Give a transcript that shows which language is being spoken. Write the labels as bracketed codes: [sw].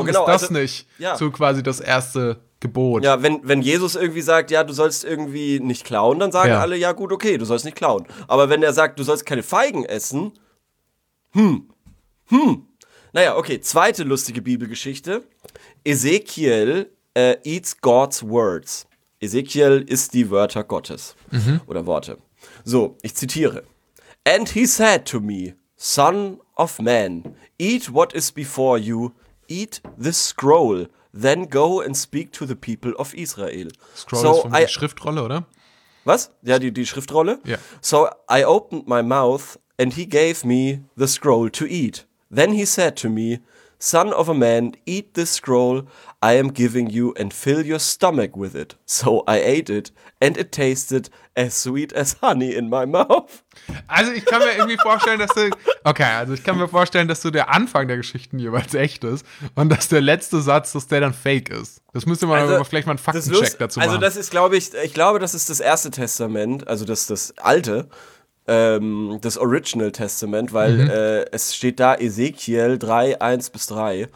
[de] also ist das also, nicht so quasi das erste Gebot? Ja, wenn Jesus irgendwie sagt, ja, du sollst irgendwie nicht klauen, dann sagen alle, ja gut, okay, du sollst nicht klauen. Aber wenn er sagt, du sollst keine Feigen essen, naja, okay, zweite lustige Bibelgeschichte. [en] Ezekiel eats God's words. [de] Ezekiel ist die Wörter Gottes oder Worte. So, ich zitiere. [en] And he said to me, son of man, eat what is before you, eat this scroll, then go and speak to the people of Israel. [de] Scroll so ist von der Schriftrolle, oder? Was? Ja, die Schriftrolle? [en] Yeah. So I opened my mouth and he gave me the scroll to eat. Then he said to me, Son of a man, eat this scroll I am giving you and fill your stomach with it. So I ate it and it tasted as sweet as honey in my mouth. [de] Also ich kann mir irgendwie vorstellen, dass du, okay, also ich kann mir vorstellen, dass so der Anfang der Geschichten jeweils echt ist und dass der letzte Satz, dass der dann fake ist. Das müsste man also, vielleicht mal einen Faktencheck dazu machen. Also das ist, glaube ich, ich glaube, das ist das erste Testament, also das alte, das Original Testament, weil es steht da Ezekiel 3, 1 bis 3.